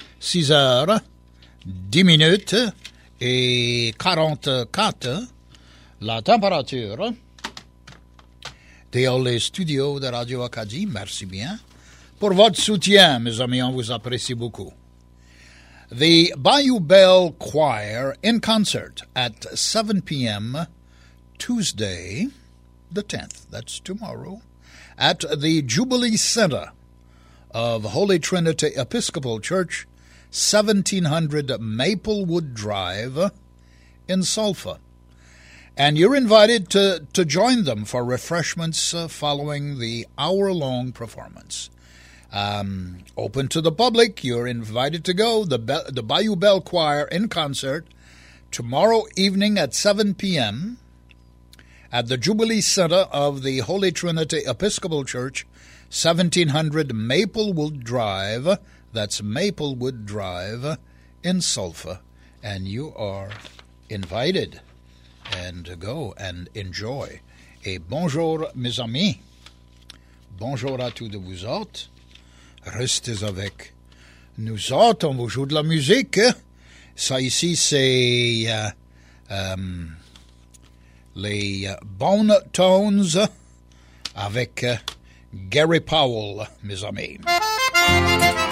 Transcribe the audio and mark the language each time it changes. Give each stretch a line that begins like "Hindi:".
French: 6 heures, 10 minutes et 44. La température dans les studios de Radio Acadie. Merci bien. Pour votre soutien, mes amis, on vous apprécie beaucoup.
English: The Bayou Bell Choir in concert at 7 p.m. Tuesday, the 10th, that's tomorrow, at the Jubilee Center of Holy Trinity Episcopal Church, 1700 Maplewood Drive in Sulphur. And you're invited to join them for refreshments following the hour-long performance. Open to the public, you're invited to go. The Bayou Bell Choir in concert tomorrow evening at 7 p.m. at the Jubilee Center of the Holy Trinity Episcopal Church, 1700 Maplewood Drive. That's Maplewood Drive in Sulphur. And you are invited and to go and enjoy.
French: Et bonjour, mes amis. Bonjour à tous de vous autres. Restez avec nous autres, on vous joue de la musique. Ça ici, c'est les Bone Tones avec Gary Powell, mes amis.